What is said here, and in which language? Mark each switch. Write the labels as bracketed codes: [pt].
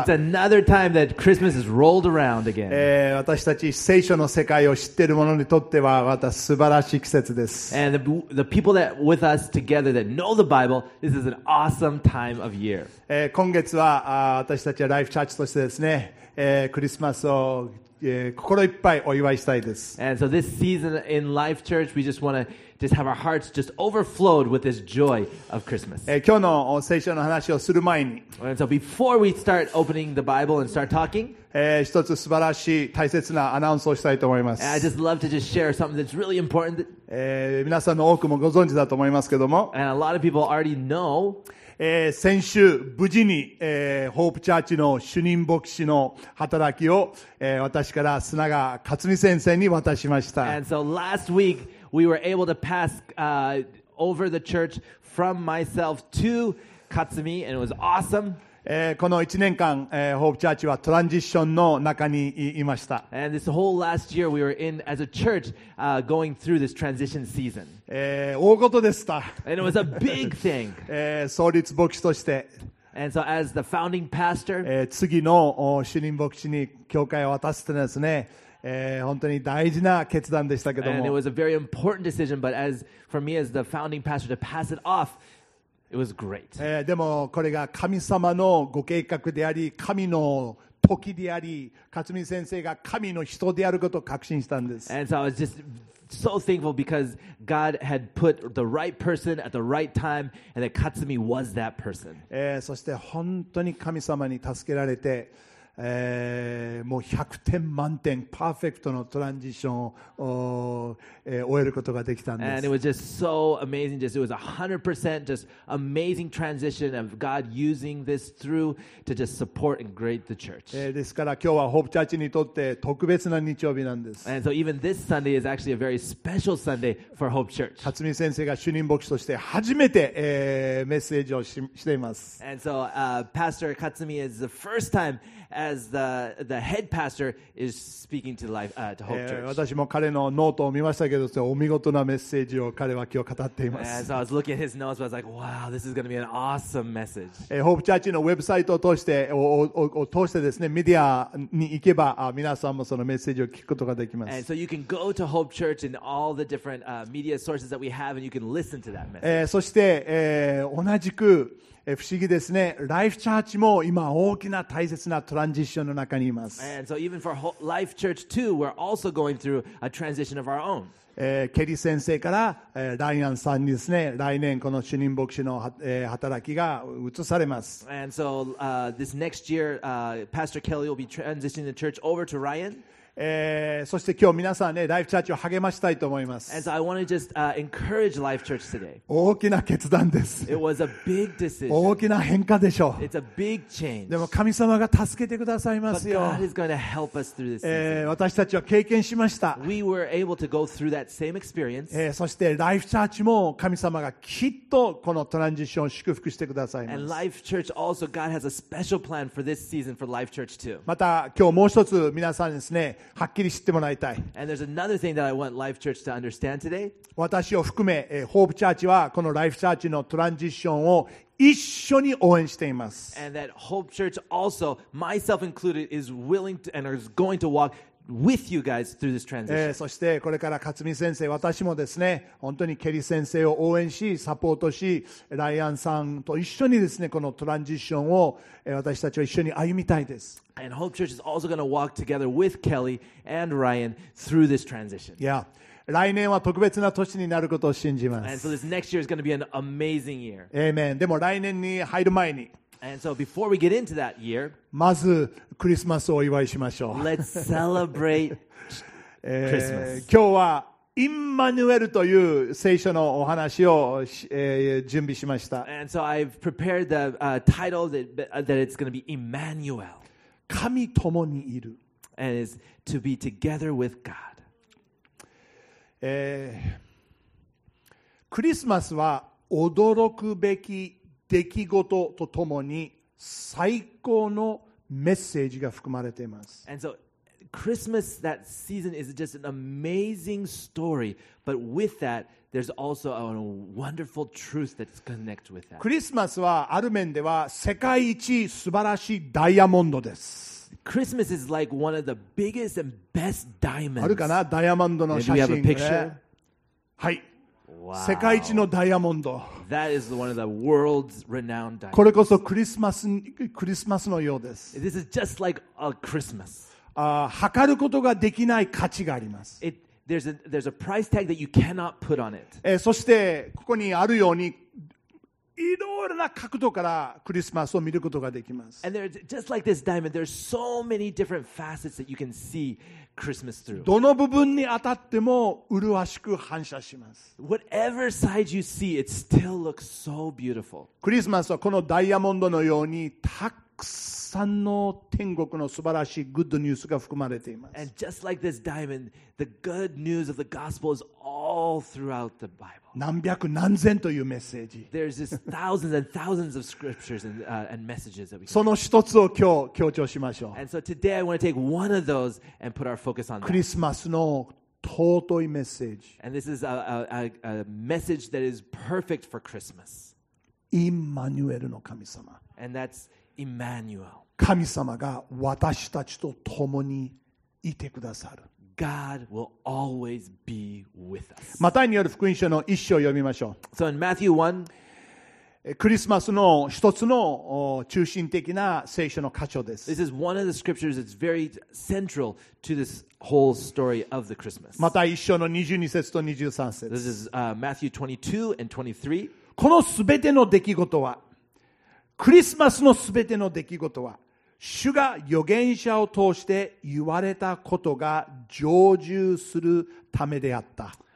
[en] It's another time that Christmas is rolled around again. [ja] 私たち聖書の世界を知っている者にとってはまた素晴らしい季節です。 [en] And the people that with us together that know the Bible, this is an awesome time of year. [ja] 今月は私たちはライフチャーチとしてですね、クリスマスを心いっぱいお祝いしたいです。 [en] And so this season in Life Church, we just want to just have our hearts just overflowed with this joy of Christmas. [ja] 今日の聖書の話をする前に、 [en] And so before we start opening the Bible and start talking, [ja] 一つ素晴らしい大切なアナウンスをしたいと思います。 [en] And I just love to just share something that's really important. [ja] 皆さんの多くもご存知だと思いますけども、 [en] And a lot of people already know. [ja] 先週無事に、ホープチャーチの主任牧師の働きを、私から砂川勝美先生に渡しました。 [en] And so last week we were able to pass, over the church from myself to Katsumi, and it was awesome. [ja] この1年間、ホープチャーチはトランジッションの中にいました。 [en] And this whole last year we were in as a church, going through this transition season. [ja] 大事でした。 [en] And it was a big thing. [ja] 創立牧師として。 [en] And so as the founding pastor, [ja] 次の主任牧師に教会を渡すというのはですね、本当に大事な決断でしたけども。 [en] And it was a very important decision, but as for me as the founding pastor to pass it off,It was great. [ja] でもこれが神様のご計画であり神の時であり勝美先生が神の人であることを確信したんです。 [en] And so I was just so thankful because God had put the right person at the right time and that Katsumi was that person. [ja] そして本当に神様に助けられて、もう100点満点パーフェクトのトランジションを、終えることができたんです。 [en] And it was just so amazing. Just, it was 100% just amazing transition of God using this through to just support and grade the church. [ja] ですから今日はホープチャーチにとって特別な日曜日なんです。 [en] And so even this Sunday is actually a very special Sunday for Hope Church. [ja] 辰巳先生が主任牧師として初めて、メッセージを しています。 [en] And so, Pastor Katsumi is the first timeAs the head pastor is speaking to life, to Hope Church. [ja] 私も彼のノートを見ましたけど、お見事なメッセージを彼は今日語っています。 [en] As I was looking at his notes, I was like, "Wow, this is going to be an awesome message." [ja] Hope Church のウェブサイトを通して、通してですね、メディアに行けば、皆さんもそのメッセージを聞くことができます。 [en] And so you can go to Hope Church and all the different, media sources that we have, and you can listen to that message. [ja] そして、同じく。不思議ですね。ライフチャーチも今大きな大切なトランジッションの中にいます。 [en] And so even for Life Church too, we're also going through a transition of our own. [ja] ケリー先生から、ライアンさんにですね、来年この主任牧師の、働きが移されます。 [en] And so, this next year, Pastor Kelly will be transitioning the church over to Ryan. [ja] そして今日皆さんね、ライフチャーチを励ましたいと思います。 [en] And so I want to just, encourage Life Church today. [ja] 大きな決断です。 [en] It was a big decision. [ja] 大きな変化でしょう。 [en] It's a big change. [ja] でも神様が助けてくださいますよ。 [en] But God is going to help us through this. [ja] 私たちは経験しました。 [en] We were able to go through that same experience. [ja] そしてライフチャーチも神様がきっとこのトランジションを祝福してくださいます。 [en] And Life Church also, God has a special plan for this season for Life Church too. [ja] また今日もう一つ皆さんですね、はっきり知ってもらいたい。 [en] And there's another thing that I want Life Church to understand today. [ja] 私を含め、ホープチャーチはこのライフチャーチのトランジションを一緒に応援しています。 [en] And that Hope Church also, myself included, is willing to, and is going to walk with you guys through this transition. [ja] そしてこれから勝美先生、私もですね、本当にケリー先生を応援し、サポートし、ライアンさんと一緒にですね、このトランジションを、私たちは一緒に歩みたいです。 [en] And Hope Church is also going to walk together with Kelly and Ryan through this transition. Yeah. [ja] 来年は特別な年になることを信じます。 [en] And so this next year is going to be an amazing year. [ja] Amen. でも来年に入る前に。 [en] And so before we get into that year, [ja] まずクリスマスをお祝いしましょう。 [en] Let's celebrate Christmas. [ja] 今日はインマヌエルという聖書のお話を、準備しました。 [en] And so I've prepared the, title that it's going to be Emmanuel. [ja] 神ともにいる。 [en] And is to be together with God. [ja] クリスマスは驚くべき出来事とともに最高のメッセージが含まれています。 [en] And so Christmas, that season is just an amazing story, but with that, there's also a wonderful truth that's connected with that. [ja] クリスマスはある面では世界一素晴らしいダイヤモンドです。 [en] Christmas is like one of the biggest and best diamonds. [ja] あるかな？ダイヤモンドの写真。 [en] Do you have a picture? [ja] はい。世界一のダイヤモンド。 [en] That is one of the world's renowned diamonds. [ja] これこそクリスマスのようです。 [en] This is just like a Christmas. [ja] 測ることができない価値があります。 [en] There's a price tag that you cannot put on it. [ja] そしてここにあるようにいろいろな角度からクリスマスを見ることができます。 [en] And there's just like this diamond, there's so many different facets that you can see Christmas through. [ja] どの部分に当たっても麗しく反射します。 [en] Whatever side you see, it still looks so beautiful. [ja] クリスマスはこのダイヤモンドのようにたくさんの天国の素晴らしいグッドニュースが含まれています。 [en] And just like this diamond, the good news of the gospel is all throughout the Bible. [ja] 何百何千というメッセージ。 [en] There's just thousands and thousands of scriptures and messages that we. [ja] その一つを今日強調しましょう。 [en] And so today I want to take one of those and put our focus on. [ja] クリスマスの尊いメッセージ。 [en] And this is a message that is perfect for Christmas. [ja] イマニュエルの神様。 [en] And that's Emmanuel. [ja] 神様が私たちと共にいてくださる。 [en] God will always be with us. [ja] マタイによる福音書の一章を読みましょう。 [en] So in Matthew 1, [ja] クリスマスの一つの中心的な聖書の箇所です。 [en] This is one of the scriptures that's very central to this whole story of the Christmas. [ja] マタイ一章の22節と23節。 [en] This is Matthew 22 and 23. [ja] このすべての出来事は、クリスマスのすべての出来事は、主が預言者を通して言われたことが成就するためであった。